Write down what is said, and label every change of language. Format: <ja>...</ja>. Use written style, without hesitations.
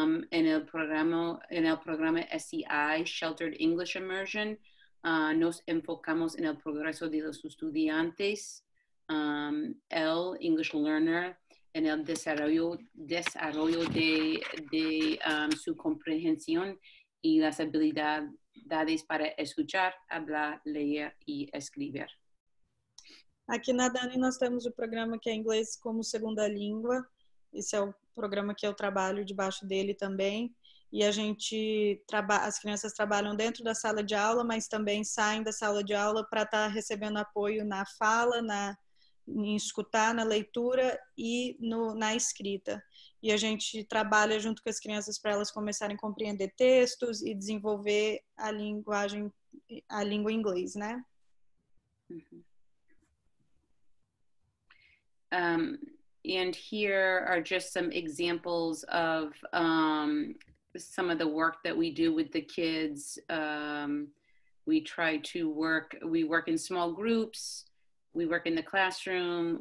<es>En el programa SEI, Sheltered English Immersion, nos enfocamos en el progreso de los estudiantes, el English Learner, en el desarrollo de su comprensión y las habilidades para escuchar, hablar, leer y escribir.</es> <pt>Aquí en ADANI nós temos o programa que é inglês como segunda língua. Esse é o programa que eu trabalho debaixo dele também. E a gente trabalha, as crianças trabalham dentro da sala de aula, mas também saem da sala de aula para estar recebendo apoio na fala, na em escutar, na leitura e no, na escrita. E a gente trabalha junto com as crianças para elas começarem a compreender textos e desenvolver a linguagem, a língua inglês, né?</pt> <en>And here are just some examples of some of the work that we do with the kids. We work in small groups. We work in the classroom.</en>